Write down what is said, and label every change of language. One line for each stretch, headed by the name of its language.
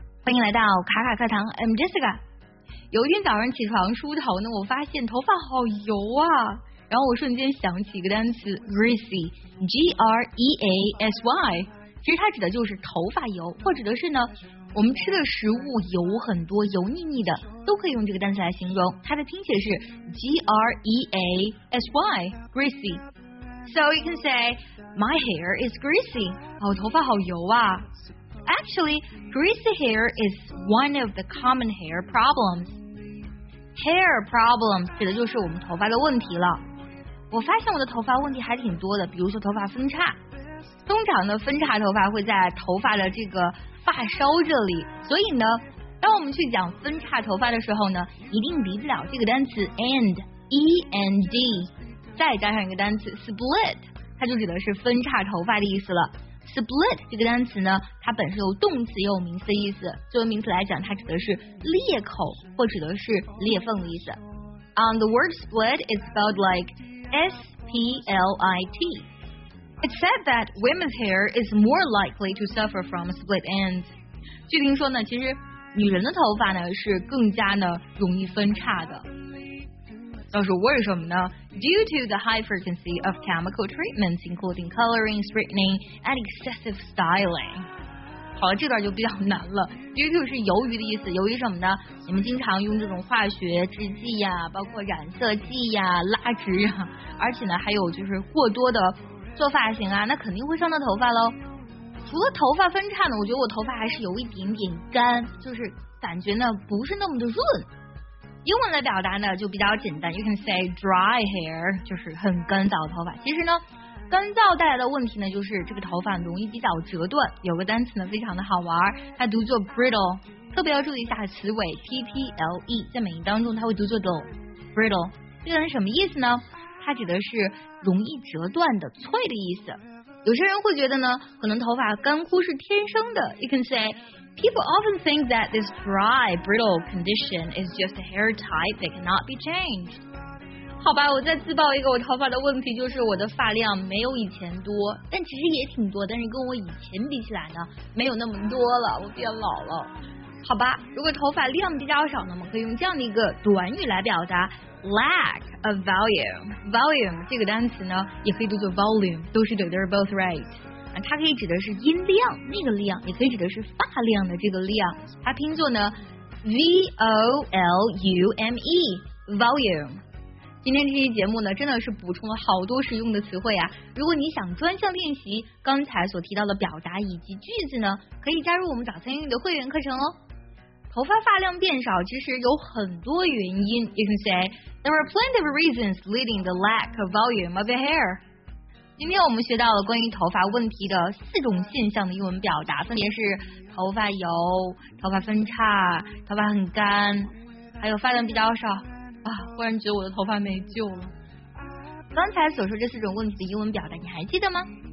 Chinese: 欢迎来到卡卡课堂 ，
English: I'm Jessica。
Chinese: 有一天早上起床梳头呢，我发现头发好油啊，然后我瞬间想起一个单词 greasy，G-R-E-A-S-Y， 其实它指的就是头发油，或者的是呢，我们吃的食物油很多，油腻腻的，都可以用这个单词来形容。它的拼写是 G-R-E-A-S-Y，greasy。
English: So you can say my hair is greasy，
Chinese: 哦，头发好油啊。
English: Actually, greasy hair is one of the common hair problems.
Chinese: Hair problem 指的就是我们头发的问题了。我发现我的头发问题还挺多的，比如说头发分叉。通常呢，分叉头发会在头发的这个发梢这里，所以呢，当我们去讲分叉头发的时候呢，一定离不了这个单词 end, E-N-D, 再加上一个单词 split, 它就指的是分叉头发的意思了。 Split 这个单词呢，它本身有动词也有名词的意思。作为名词来讲，它指的是裂口或指的是裂缝的意思。
English: The word split is spelled like S-P-L-I-T. It's said that women's hair is more likely to suffer from split ends.
Chinese: 据听说呢，其实女人的头发呢是更加呢容易分叉的。那是为什么呢？
English: Due to the high frequency of chemical treatments, including coloring, straightening, and excessive styling.
Chinese: 好了，这段就比较难了。 Due to 是由于的意思，由于什么呢？你们经常用这种化学制剂呀，包括染色剂呀、蜡质呀，而且呢，还有就是过多的做发型啊，那肯定会伤到头发喽。除了头发分叉呢，我觉得我头发还是有一点点干，就是感觉呢不是那么的润。英文的表达呢就比较简单，
English: You can say dry hair，
Chinese: 就是很干燥的头发。其实呢，干燥带来的问题呢就是这个头发容易比较折断。有个单词呢非常的好玩，它读作 brittle， 特别要注意一下词尾 P-P-L-E， 在美音当中它会读作 brittle。这个是什么意思呢？它指的是容易折断的脆的意思。有些人会觉得呢，可能头发干枯是天生的。
English: You can say People often think that this dry, brittle condition is just a hair type that cannot be changed.
Chinese: 好吧，我再自曝一个我头发的问题，就是我的发量没有以前多，但其实也挺多，但是跟我以前比起来呢，没有那么多了，我变老了。好吧，如果头发量比较少呢，我们可以用这样的一个短语来表达
English: lack of volume.
Chinese: Volume 这个单词呢，也可以读作 volume， 都是对，
English: they're both right.
Chinese: 它可以指的是音量，那个量，也可以指的是发量的这个量。它拼作呢 V-O-L-U-M-E Volume。今天这期节目呢真的是补充了好多实用的词汇啊。如果你想专项练习刚才所提到的表达以及句子呢，可以加入我们早餐英语的会员课程哦。头发发量变少其实有很多原因。
English: You can say There are plenty of reasons leading the lack of volume of your hair。
Chinese: 今天我们学到了关于头发问题的四种现象的英文表达，分别是头发油、头发分叉、头发很干，还有发量比较少。啊，忽然觉得我的头发没救了。刚才所说这四种问题的英文表达你还记得吗？